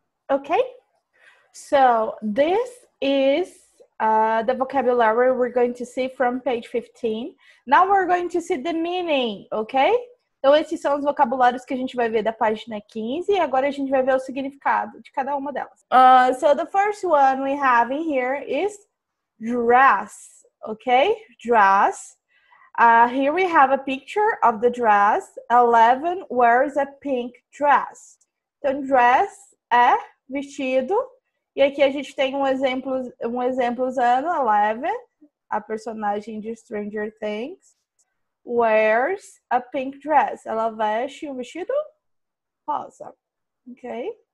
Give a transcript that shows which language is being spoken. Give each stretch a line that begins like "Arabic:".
English: Okay, so this is the vocabulary we're going to see from page 15. Now we're going to see the meaning, okay?
Portuguese: Então esses são os vocabulários que a gente vai ver da página 15 e agora a gente vai ver o significado de cada uma delas.
English: So the first one we have in here is dress, okay? Dress. Here we have a picture of the dress. 11 wears a pink dress.
Portuguese: Então dress é vestido e aqui a gente tem um exemplo usando 11, a personagem de Stranger Things.
English: Wears a pink dress.
Portuguese: Ela veste um vestido rosa. Ok?